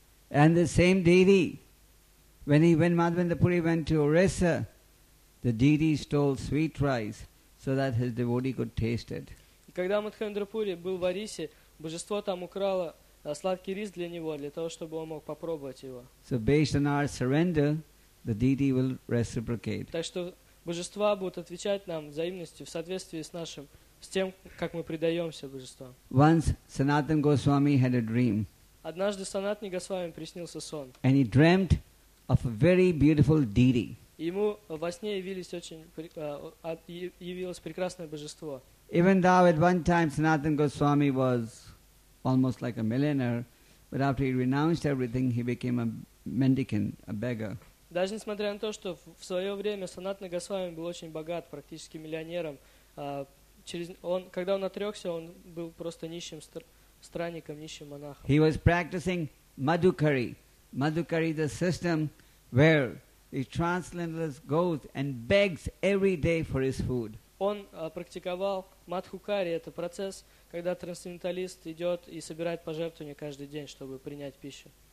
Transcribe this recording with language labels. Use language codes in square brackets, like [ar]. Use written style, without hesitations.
[en] And the same deity, when Madhavendra Puri went to Orissa, the deity stole sweet rice so that his devotee could taste it. [ru] Когда Мадхавендра Пури был в Арисе, божество там украло сладкий рис для него, для того, чтобы он мог попробовать его. [en] So based on our surrender, the deity will reciprocate. [ru] Так что божества будут отвечать нам взаимностью в соответствии с нашим, с тем, как мы предаемся божествам. [en] Once Sanatan Goswami had a dream. [ru] Однажды Санатни Госвами приснился сон. [en] And he dreamt of a very beautiful deity. [ru] Ему во сне явилось прекрасное божество. [en] Even though at one time Sanatana Goswami was almost like a millionaire, but after he renounced everything, he became a mendicant, a beggar. [ru] Даже несмотря на то, что в свое время Санатана Госвами был очень богат, практически миллионером, когда он отрекся, он был просто нищим странником, нищим монахом. [en] He was practicing Madhukari. Madhukari is a system where the transcendentalist goes and begs every day for his food. [ru] Он практиковал Мадхукари, это процесс, когда трансценденталист идет и собирает пожертвования каждый день, чтобы принять пищу.